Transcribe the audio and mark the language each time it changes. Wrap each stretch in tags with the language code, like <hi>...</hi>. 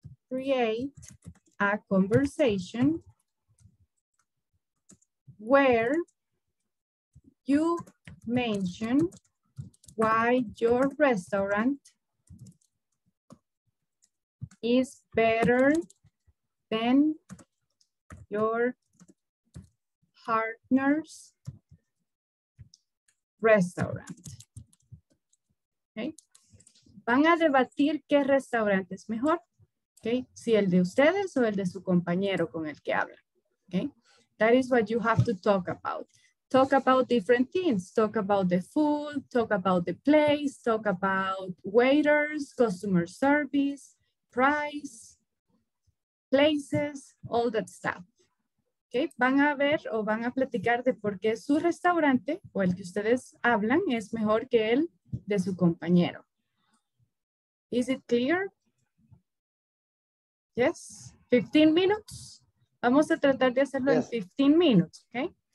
<en>Create a conversation where you mention why your restaurant is better than your partner's restaurant.</en> <es>Okay. Van a debatir qué restaurante es mejor. Okay, si el de ustedes o el de su compañero con el que habla.</es> <en>Okay, that is what you have to talk about. Talk about different things. Talk about the food, talk about the place, talk about waiters, customer service, price, places, all that stuff.</en> <es>Okay, van a ver o van a platicar de por qué su restaurante o el que ustedes hablan es mejor que el de su compañero.</es> <en>Is it clear? Yes, 15 minutes.</en> <es>Vamos a tratar de hacerlo en 15 minutes, okay?</es>